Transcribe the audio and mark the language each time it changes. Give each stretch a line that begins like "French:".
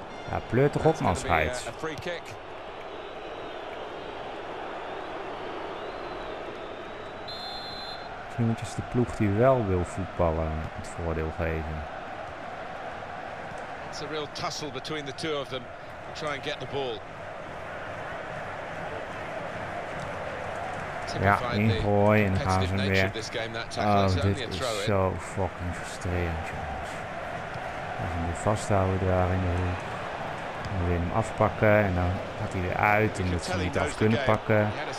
Dutch: Ja, pleurt toch op, man, scheids. Het is de ploeg die wel wil voetballen het voordeel geven.
English: It's a real tussle between the two of them to try and get the ball.
Dutch: Ja, ingooi en dan gaan ze weer. Oh, dit is zo fucking frustrerend, jongens. We gaan hem vasthouden daar in de hoek. We willen hem afpakken en dan gaat hij weer uit en dat ze hem niet af kunnen pakken.